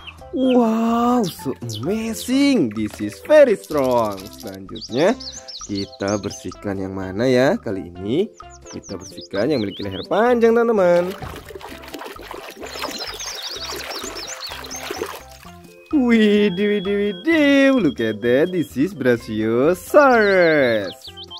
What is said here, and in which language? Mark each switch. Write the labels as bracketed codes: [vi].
[en] Wow, so amazing, this is very strong. [id] Selanjutnya kita bersihkan yang mana ya? Kali ini kita bersihkan yang memiliki leher panjang teman-teman. [en] Widih, look at that, this is Brachiosaurus.